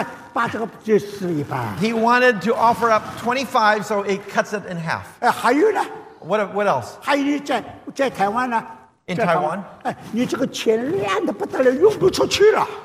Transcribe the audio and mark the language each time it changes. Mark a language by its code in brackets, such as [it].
[zh] 他要奉献25块钱，他没有啊，他是把这个就是一半。 [en] He wanted to offer up 25, so it cuts it in half. [zh] 还有呢? [en] What else? [zh] 还有你在台湾呢? [en] In Taiwan? [zh] 你这个钱烂得不得了，用不出去了。